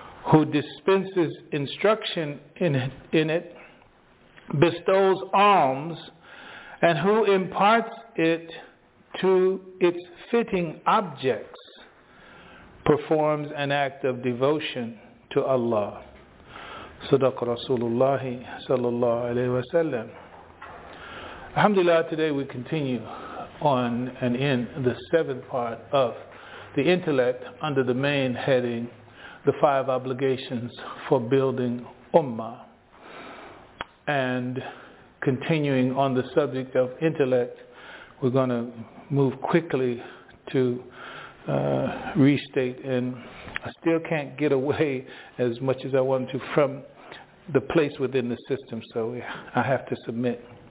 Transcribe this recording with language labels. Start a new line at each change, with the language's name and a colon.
English: Who dispenses instruction in it, bestows alms, and who imparts it to its fitting objects, performs an act of devotion to Allah.
Arabic: صدق رسول الله صلى الله عليه وسلم.
English: Alhamdulillah, today we continue on and in the seventh part of the intellect under the main heading, the five obligations for building ummah. And continuing on the subject of intellect, we're going to move quickly to restate, and I still can't get away as much as I want to from the place within the system, so I have to submit.